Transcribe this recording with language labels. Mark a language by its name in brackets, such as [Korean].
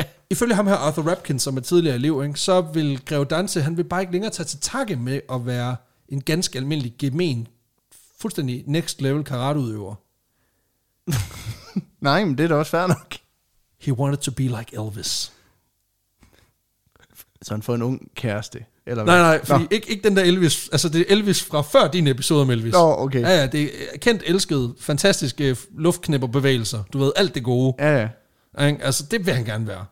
[Danish] Ifølge ham her, Arthur Rapkin, som er tidligere elev, ikke, så vil Greve Dante, han vil bare ikke længere tage til takke med at være en ganske almindelig, gemen, fuldstændig next level karateudøver. Nej, men det er da også fair nok. [English] He wanted to be like Elvis. [Danish] Så han får en ung kæreste? Eller nej, nej, fordi ikke den der Elvis. Altså, det er Elvis fra før din episode med Elvis. Nå, okay. Ja, det er kendt, elsket, fantastiske luftknipperbevægelser. Du ved, alt det gode. Ja, ja. Altså, det vil han gerne være.